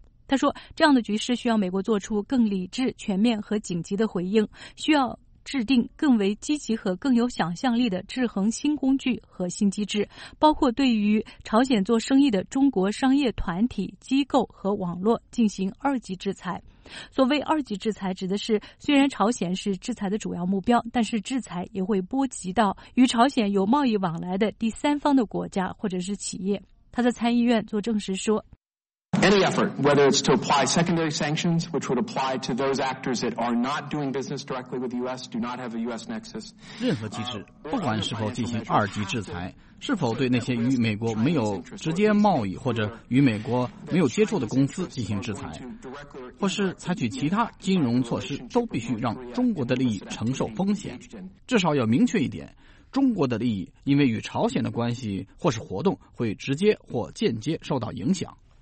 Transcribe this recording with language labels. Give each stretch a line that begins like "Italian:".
Chinese: 他说，这样的局势需要美国做出更理智、全面和紧急的回应，需要制定更为积极和更有想象力的制衡新工具和新机制，包括对于朝鲜做生意的中国商业团体、机构和网络进行二级制裁。所谓二级制裁指的是，虽然朝鲜是制裁的主要目标，但是制裁也会波及到与朝鲜有贸易往来的第三方的国家或者是企业。他在参议院做证实说，
English: Any effort, whether it's to apply secondary sanctions, which would apply to those actors that are not doing business directly with the U.S., do not have a U.S. nexus.
Chinese: 任何机制，不管是否进行二级制裁，是否对那些与美国没有直接贸易或者与美国没有接触的公司进行制裁，或是采取其他金融措施，都必须让中国的利益承受风险。至少要明确一点，中国的利益因为与朝鲜的关系或是活动会直接或间接受到影响。